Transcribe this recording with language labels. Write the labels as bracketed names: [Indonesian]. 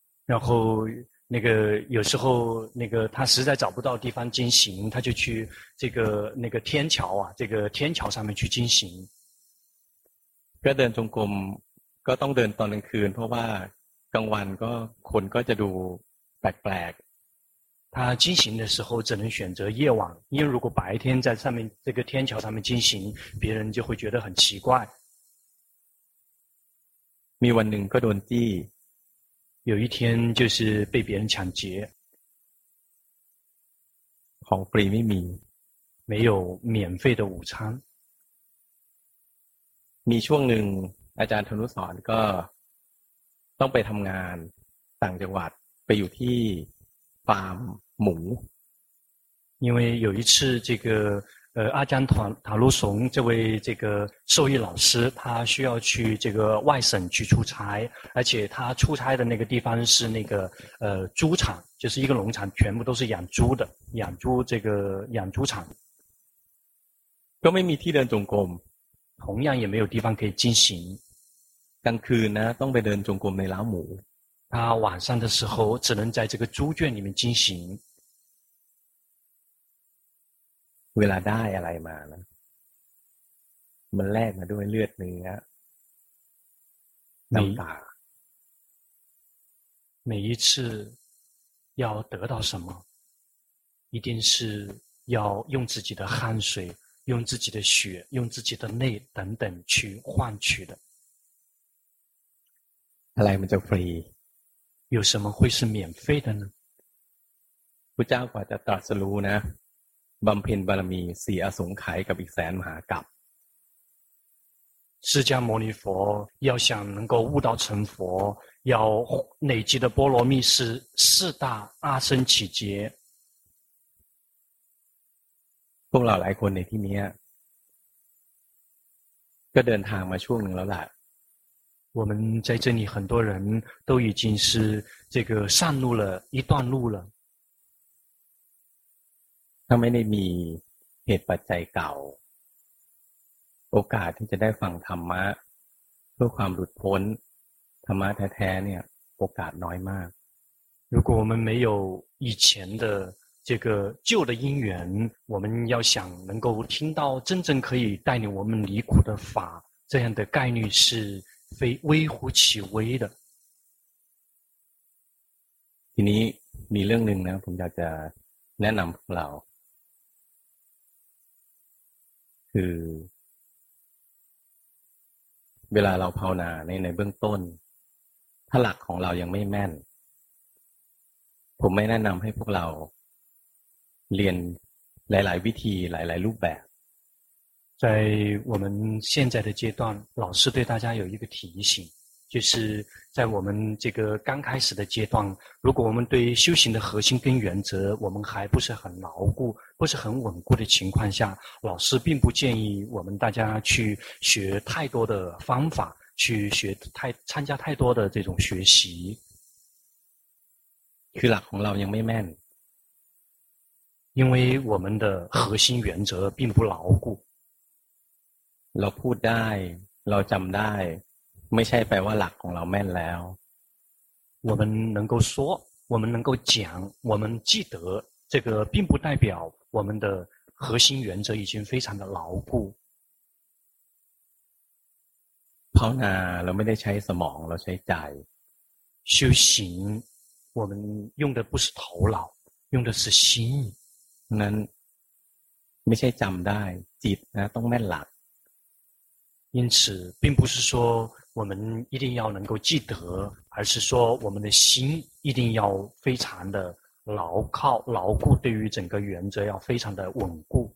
[Chinese] 然后那个有时候那个他实在找不到地方进行他就去这个那个天桥啊这个天桥上面去进行 [Thai] ก็เดินจงกรมก็ต้องเดินตอนกลางคืนเพราะว่ากลางวันก็คนก็จะดูแปลก [Chinese] 他进行的时候只能选择夜晚，因为如果白天在上面这个天桥上面进行，别人就会觉得很奇怪。 [Thai] มีวันหนึ่งก็โดนจี้ [Chinese] 有一天就是被别人抢劫。 [Thai] ของฟรีไม่มี [Chinese] 没有免费的午餐。 [Thai] มีช่วงหนึ่งอาจารย์ธนุสอนก็ต้องไปทำงานต่างจังหวัดไปอยู่ที่farm หมู [Chinese] 因为有一次这个阿姜塔鲁怂这位这个兽医老师他需要去这个外省去出差而且他出差的那个地方是那个猪场就是一个农场全部都是养猪的养猪场 [Thai] ก็ไม่มีที่เดินจงกรม [Chinese] 同样也没有地方可以进行 [Thai] กลางคืนนะต้องไปเดินจงกรมในล้าวหมู [Chinese] 他晚上的时候只能在这个猪圈里面进行 [Thai] เวลาได้อะไรมานะมันแลกมาด้วยเลือดเนื้อน้ำตา [Chinese] 每一次要得到什么一定是要用自己的汗水用自己的血用自己的泪等等去换取的 [Thai] อะไรมันจะฟรี [Chinese] 有什么会是免费的呢 [Thai] พุทธเจ้ากว่าจะตรัสรู้นะบำเพ็ญบารมี4อสงไขยกับอีกแสนมหากัป [Chinese] ปะ释迦牟尼佛要想能够悟道成佛要累积的波罗蜜是四大阿僧祇劫 [Thai] พวกเราหลายคนในที่นี้ก็เดินทางมาช่วงหนึ่งแล้วล่ะ [Chinese] 我们在这里很多人都已经是这个上路了一段路了 [Thai] ถ้าไม่ได้มีเหตุปัจจัยเก่าโอกาสที่จะได้ฟังธรรมะเพื่อความหลุดพ้นธรรมะแท้ๆเนี่ยโอกาสน้อยมาก [Chinese] 如果我们没有以前的这个旧的因缘我们要想能够听到真正可以带领我们离苦的法这样的概率是非微乎其微的 [Thai] ทีนี้มีเรื่องหนึ่งนะผมอยากจะแนะนำพวกเราคือเวลาเราภาวนาในเบื้องต้นถ้าหลักของเรายังไม่แม่น ผมไม่แนะนำให้พวกเราเรียนหลายๆวิธีหลายๆรูปแบบ [Chinese] 在我们现在的阶段，老师对大家有一个提醒，就是在我们这个刚开始的阶段，如果我们对修行的核心跟原则，我们还不是很牢固，不是很稳固的情况下，老师并不建议我们大家去学太多的方法，去学太参加太多的这种学习。 [Thai] คือหลักของเรายังไม่แม่น， [Chinese] 因为我们的核心原则并不牢固。 [Thai] เราพูดได้เราจำได้ไม่ใช่แปลว่าหลักของเราแม่นแล้ว [Chinese] 我们能够说我们能够讲我们记得这个并不代表我们的核心原则已经非常的牢固 [Thai] ภาวนาเราไม่ได้ใช้สมองเราใช้ใจ [Chinese] 修行我们用的不是头脑用的是心 [Thai] นั้นไม่ใช่จำได้จิตนะต้องแม่นหลัก [Chinese] 因此并不是说我们一定要能够记得而是说我们的心一定要非常的牢靠牢固对于整个原则要非常的稳固